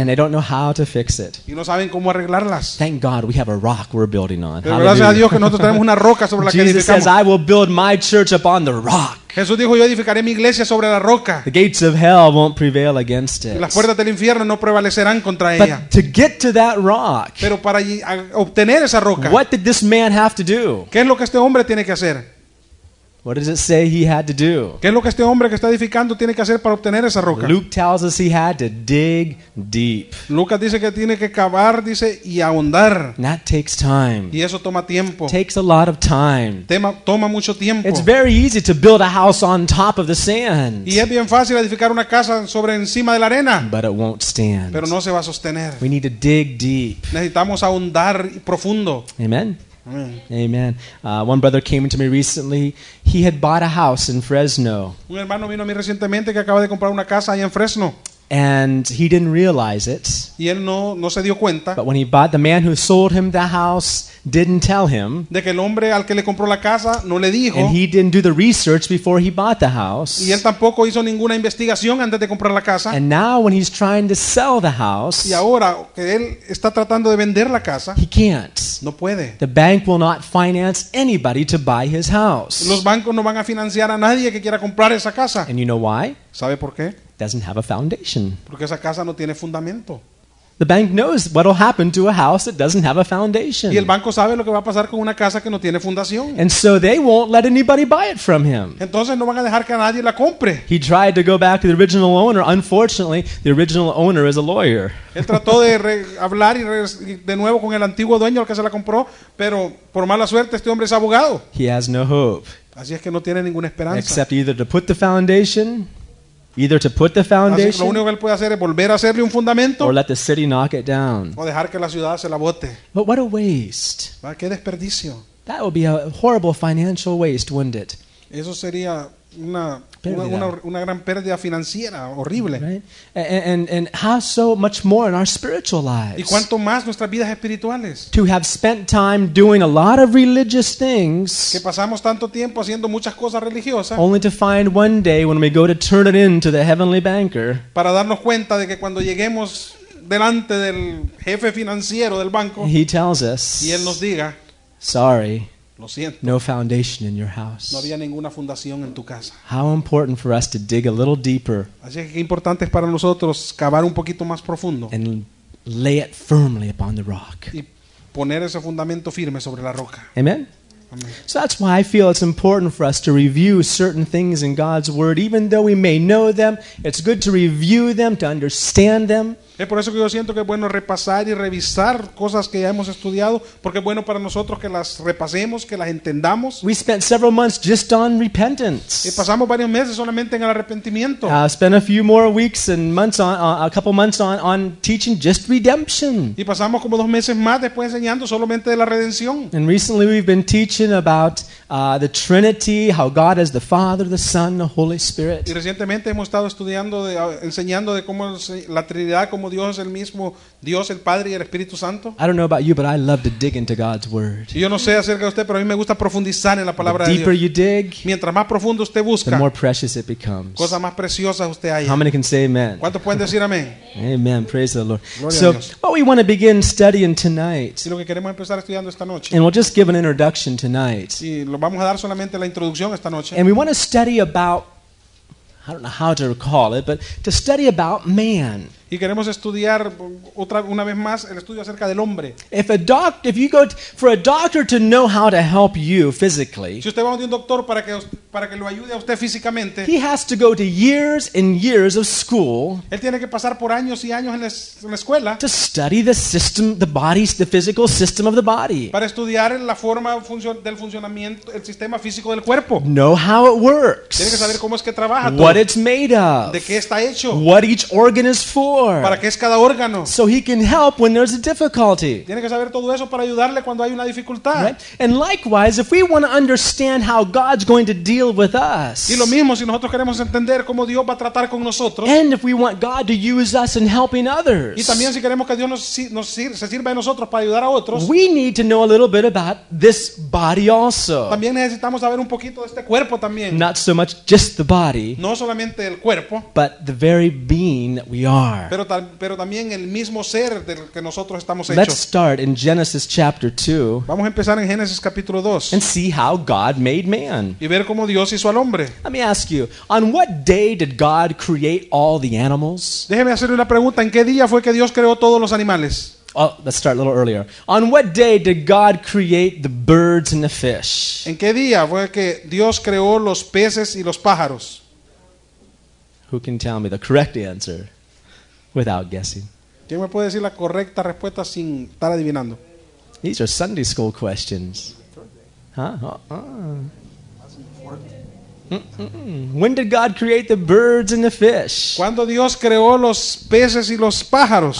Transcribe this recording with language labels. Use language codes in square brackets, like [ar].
[en] And they don't know how to fix it. [es] Y no saben cómo arreglarlas. [en] Thank God we have a rock we're building on. [es] Gracias a Dios que nosotros tenemos una roca sobre la que edificamos. [en] Jesus says, "I will build my church upon the rock." [es] Jesús dijo, "Yo edificaré mi iglesia sobre la roca." [en] The gates of hell won't prevail against it. [es] Las puertas del infierno no prevalecerán contra ella. [en] But to get to that rock. [es] Pero para obtener esa roca. [en] What did this man have to do? [es] ¿Qué es lo que este hombre tiene que hacer? [en] What does it say he had to do? [es] ¿Qué es lo que este hombre que está edificando tiene que hacer para obtener esa roca? [en] Luke tells us he had to dig deep. [es] Lucas dice que tiene que cavar, dice, y ahondar. [en] That takes time. [es] Y eso toma tiempo. [en] It takes a lot of time. [es] Toma mucho tiempo. [en] It's very easy to build a house on top of the sand. [es] Y es bien fácil edificar una casa sobre encima de la arena. [en] But it won't stand. [es] Pero no se va a sostener. [en] We need to dig deep. [es] Necesitamos ahondar profundo. [en] Amen. Amen. One brother came to me recently. He had bought a house in Fresno. [es] Un hermano vino a mí recientemente que acaba de comprar una casa ahí en Fresno. [en] And he didn't realize it. [es] Y él no se dio cuenta. [en] But when he bought, the man who sold him the house didn't tell him. [es] De que el hombre al que le compró la casa no le dijo. [en] And he didn't do the research before he bought the house. [es] Y él tampoco hizo ninguna investigación antes de comprar la casa. [en] And now when he's trying to sell the house, [es] y ahora que él está tratando de vender la casa, [en] he can't. [es] No puede. [en] The bank will not finance anybody to buy his house. [es] Los bancos no van a financiar a nadie que quiera comprar esa casa. [en] And you know why? [es] ¿Sabe por qué? [en] Doesn't have a foundation. [es] Porque esa casa no tiene fundamento. [en] The bank knows what will happen to a house that doesn't have a foundation. [es] Y el banco sabe lo que va a pasar con una casa que no tiene fundación. [en] And so they won't let anybody buy it from him. [es] Entonces no van a dejar que nadie la compre. [en] He tried to go back to the original owner. Unfortunately, the original owner is a lawyer. [es] Él trató de hablar de nuevo con el antiguo dueño al que se la compró, pero por mala suerte este hombre es abogado. [en] He has no hope. [es] Así es que no tiene ninguna esperanza. [en] Except either to put the foundation. Either to put the foundation, [es] lo único que él puede hacer es volver a hacerle un fundamento, [en] or let the city knock it down. [es] O dejar que la ciudad se la bote. [en] But what a waste! [es] ¿Va? ¿Qué desperdicio? [en] That would be a horrible financial waste, wouldn't it? [es] Eso sería una gran pérdida financiera horrible. [en] Right? And how so much more in our spiritual lives? [es] ¿Y cuánto más nuestras vidas espirituales? [en] To have spent time doing a lot of religious things, [es] que pasamos tanto tiempo haciendo muchas cosas religiosas, [en] only to find one day when we go to turn it in to the heavenly banker, [es] para darnos cuenta de que cuando lleguemos delante del jefe financiero del banco, [en] he tells us, [es] y él nos diga, [en] sorry. [es] Lo siento. [en] No foundation in your house. [es] No había ninguna fundación en tu casa. [en] How important for us to dig a little deeper. [es] Así que qué importante es para nosotros cavar un poquito más profundo. [en] And lay it firmly upon the rock. [es] Y poner ese fundamento firme sobre la roca. [en] Amen. So that's why I feel it's important for us to review certain things in God's Word, even though we may know them. It's good to review them, to understand them. [es] Es por eso que yo siento que es bueno repasar y revisar cosas que ya hemos estudiado, porque es bueno para nosotros que las repasemos, que las entendamos. [en] We spent several months just on repentance. [es] Y pasamos varios meses solamente en el arrepentimiento. [en] Spent a few more weeks and months on a couple months on teaching just redemption. [es] Y pasamos como dos meses más después enseñando solamente de la redención. [en] And recently we've been teaching about the Trinity, how God is the Father, the Son, the Holy Spirit. [es] Y recientemente hemos estado estudiando enseñando de cómo la Trinidad, como Dios es el mismo Dios, el Padre y el Espíritu Santo. [en] I don't know about you, but I love to dig into God's Word. [es] Yo no sé acerca de usted, pero a mí me gusta profundizar en la palabra [en] the [es] de [en] deeper [es] Dios. [en] You dig, [es] mientras más profundo usted busca, [en] the more precious it becomes. [es] Cosa más preciosa usted haya. [en] How many can say amen? [es] ¿Cuántos pueden decir amén? [en] Amen. Praise the Lord. [es] Gloria [en] so, [es] a Dios. [en] What we want to begin studying tonight. [es] Y lo que queremos empezar estudiando esta noche. [en] And we'll just give an introduction tonight. [es] Y lo vamos a dar solamente la introducción esta noche. [en] And we want to study about, I don't know how to call it, but to study about man. [es] Y queremos estudiar otra una vez más el estudio acerca del hombre. [en] If you go for a doctor to know how to help you physically. [es] Si usted va a un doctor para que lo ayude a usted físicamente. [en] He has to go to years and years of school. [es] Él tiene que pasar por años y años en la escuela. [en] To study the system, the body, the physical system of the body. [es] Para estudiar la forma del funcionamiento, el sistema físico del cuerpo. [en] Know how it works. [es] Tiene que saber cómo es que trabaja todo. [en] What it's made of. [es] De qué está hecho. [en] What each organ is for. [es] Para qué es cada órgano. [en] So he can help when there's a difficulty. [es] Tiene que saber todo eso para ayudarle cuando hay una dificultad. [en] Right? And likewise, if we want to understand how God's going to deal with us. [es] Y lo mismo si nosotros queremos entender cómo Dios va a tratar con nosotros. [en] And if we want God to use us in helping others. [es] Y también si queremos que Dios se sirva de nosotros para ayudar a otros. [en] We need to know a little bit about this body also. [es] También necesitamos saber un poquito de este cuerpo también. [en] Not so much just the body. [es] No solamente el cuerpo. [en] But the very being that we are. [es] Pero también el mismo ser del que nosotros estamos hechos. [en] Let's start in Genesis chapter 2. [es] Vamos a empezar en Génesis capítulo 2. [en] And see how God made man. [es] Y ver cómo Dios hizo al hombre. [en] Let me ask you, on what day did God create all the animals? [es] Déjeme hacerle una pregunta, ¿en qué día fue que Dios creó todos los animales? [en] Oh, let's start a little earlier. On what day did God create the birds and the fish? [es] ¿En qué día fue que Dios creó los peces y los pájaros? [en] Who can tell me the correct answer? Without guessing. [es] ¿Quién me puede decir la correcta respuesta sin estar adivinando? [en] These are Sunday school questions. Huh? When did God create the birds and the fish? [es] ¿Cuándo Dios creó los peces y los pájaros?